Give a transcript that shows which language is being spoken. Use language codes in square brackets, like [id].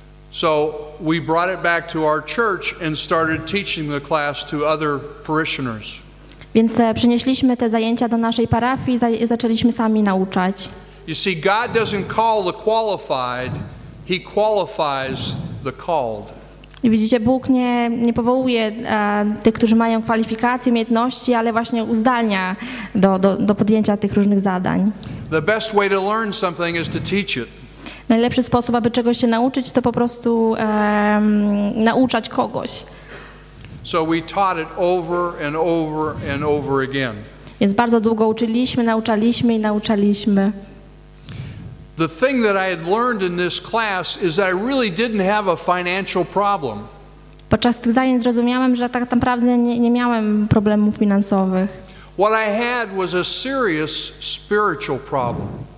[en] So we brought it back to our church and started teaching the class to other parishioners. [pl] Więc przenieśliśmy te zajęcia do naszej parafii i zaczęliśmy sami nauczać. [en] You see, God doesn't call the qualified, he qualifies the called. [pl] I widzicie, Bóg nie powołuje tych, którzy mają kwalifikacje, umiejętności, ale właśnie uzdalnia do podjęcia tych różnych zadań. [en] The best way to learn something is to teach it. [pl] Najlepszy sposób, aby czegoś się nauczyć, to po prostu nauczać kogoś. [en] So we taught it over and over and over again. [pl] Więc bardzo długo uczyliśmy, nauczaliśmy i nauczaliśmy. [en] The thing that I had learned in this class is that I really didn't have a financial problem. [pl] Podczas tych zajęć zrozumiałem, że tak naprawdę nie miałem problemów finansowych. [en] What I had was a serious spiritual problem.